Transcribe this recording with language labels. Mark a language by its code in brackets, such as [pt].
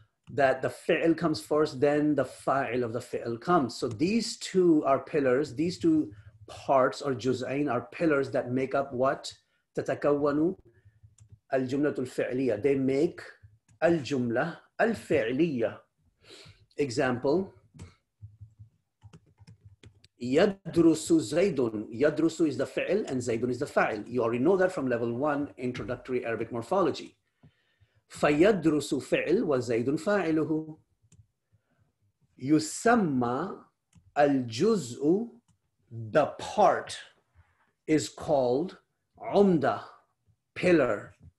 [en] that the fi'l comes first, then the fa'il of the fi'l comes. So these two are pillars, these two parts or juz'ain are pillars that make up what? [ar] تَتَكَوَّنُ الْجُمْلَةُ الْفِعْلِيَّةِ. [en] They make [ar] الْجُمْلَةُ الْفِعْلِيَّةِ. [en] Example, [ar] يَدْرُسُ زَيْدٌ. [en] يَدْرُسُ is the fi'l and زَيْدٌ is the fa'il. You already know that from level one, introductory Arabic morphology. [ar] فَيَدْرُسُ فِعْل وَزَيْدٌ فَاعِلُهُ. يُسَمَّى الْجُزْءُ. [en] The part is called عُمْدَة, pillar.